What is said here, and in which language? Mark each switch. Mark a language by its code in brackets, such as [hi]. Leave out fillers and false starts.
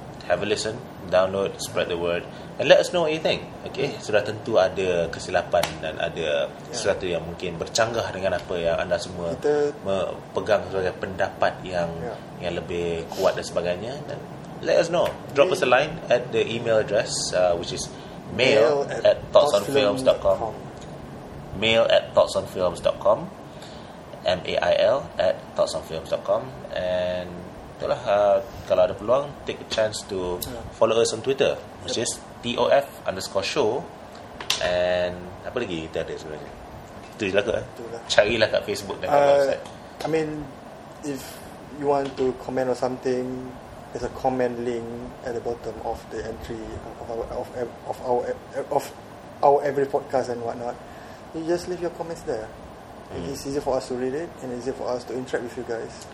[en] Have a listen, download, spread the word, and let us know what you think. Okay? [ms] Sudah tentu ada kesilapan dan ada sesuatu yang mungkin bercanggah dengan apa yang anda semua pegang sebagai pendapat yang yang lebih kuat dan sebagainya. [en] Dan let us know. Drop us a line at the email address, which is mail@thoughtsonfilms.com. mail@thoughtsonfilms.com. mail@thoughtsonfilms.com. And [ms] itulah, kalau ada peluang, [en] take a chance to follow us on Twitter, which is TOF_show. [ms] And apa lagi kita ada sebenarnya? Itu je lah kot. Carilah kat Facebook dan website. [en] I mean, if you want to comment or something, there's a comment link at the bottom of the entry of our every podcast and whatnot. You just leave your comments there. It's easy for us to read it and easy for us to interact with you guys.